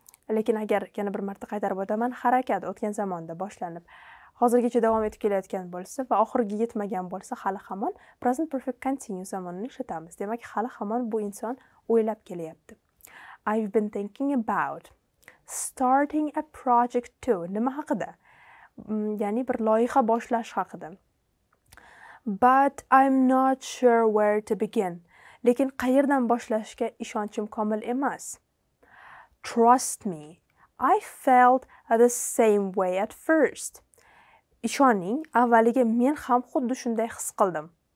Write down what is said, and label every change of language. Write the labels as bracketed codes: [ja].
[uz] Lekin agar yana bir marta qaytarib o'taman, harakat o'tgan zamonda boshlanib, hozirgacha davom etib kelayotgan bo'lsa va oxiriga yetmagan bo'lsa, hali hamon present perfect continuous zamonini ishlatamiz. Demak, hali hamon bu inson o'ylab kelyapti. [en] I've been thinking about starting a project too. [uz] Nima haqida? Ya'ni bir loyiha boshlash haqida. [en] But I'm not sure where to begin. [uz] Lekin qayerdan boshlashga ishonchim komil emas. [en] Trust me, I felt the same way at first. [uz] Ishoning, avvaliga men ham xuddi shunday his qildim.